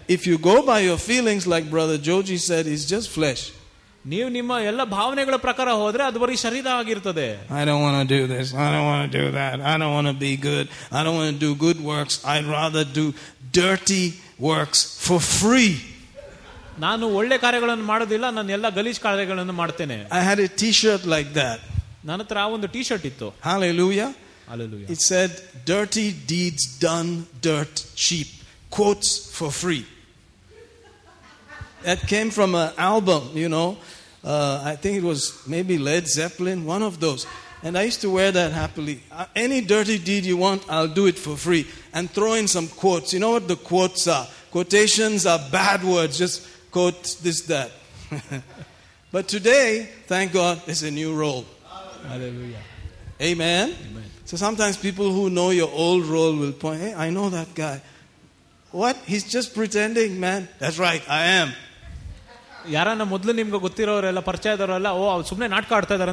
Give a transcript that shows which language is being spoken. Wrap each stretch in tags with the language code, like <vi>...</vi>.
<en>If you go by your feelings like Brother Joji said, it's just flesh.</en> <kn>ನೀವು ನಿಮ್ಮ ಎಲ್ಲ ಭಾವನೆಗಳ ಪ್ರಕಾರ ಹೋದ್ರೆ ಅದು ಬರೀ ಶರೀರ ಆಗಿರ್ತದೆ</kn> <en>I don't want to do this I don't want to do that I don't want to be good I don't want to do good works I'd rather do dirty works for free</en> <kn>ನಾನು ಒಳ್ಳೆ ಕಾರ್ಯಗಳನ್ನು ಮಾಡೋದಿಲ್ಲ ನಾನು ಎಲ್ಲ ಗಲೀಜು ಕಾರ್ಯಗಳನ್ನು ಮಾಡ್ತೇನೆ</kn> <en>I had a t-shirt like that</en> <kn>ನನ್ನ ಹತ್ರ ಆ ಒಂದು ಟೀ-ಶರ್ಟ್ ಇತ್ತು</kn> <en>Hallelujah Hallelujah It said dirty deeds done dirt cheap quotes for free That came from an album, you know. I think it was maybe Led Zeppelin, one of those. And I used to wear that happily. Any dirty deed you want, I'll do it for free. And throw in some quotes. You know what the quotes are? Quotations are bad words. Just quote this, that. But today, thank God, it's a new role. Hallelujah. Amen. Amen. So sometimes people who know your old role will point, hey, I know that guy. What? He's just pretending, man. That's right, I am.</en> <kn>ಯಾರನ್ನ ಮೊದಲು ನಿಮ್ಗೆ ಗೊತ್ತಿರೋರೆಲ್ಲ ಪರಿಚಯ ಇದ್ದವರೆಲ್ಲ ಓ ಅವ್ರು ಸುಮ್ಮನೆ ನಾಟಕ ಆಡ್ತಾ ಇದಾರೆ</kn>